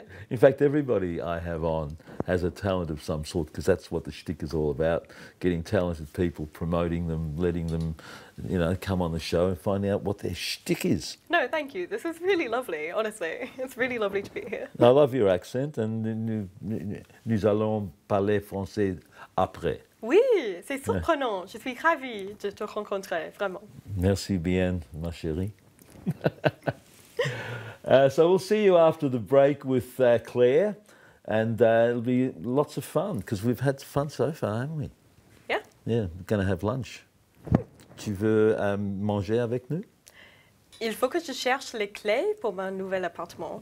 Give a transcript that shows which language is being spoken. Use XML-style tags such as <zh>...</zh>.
<en>In fact, everybody I have on has a talent of some sort, because that's what the shtick is all about, getting talented people, promoting them, letting them, you know, come on the show and find out what their shtick is. No, thank you. This is really lovely, honestly. It's really lovely to be here. I love your accent, and</en> <fr>nous allons parler français après. Oui, c'est surprenant. Je suis ravie de te rencontrer, vraiment. Merci bien, ma chérie.</fr> <en>So we'll see you after the break with Claire, and it'll be lots of fun, because we've had fun so far, haven't we? Yeah. Yeah, we're going to have lunch.</en> <fr>Tu veux manger avec nous? Il faut que je cherche les clés pour mon nouvel appartement.</fr>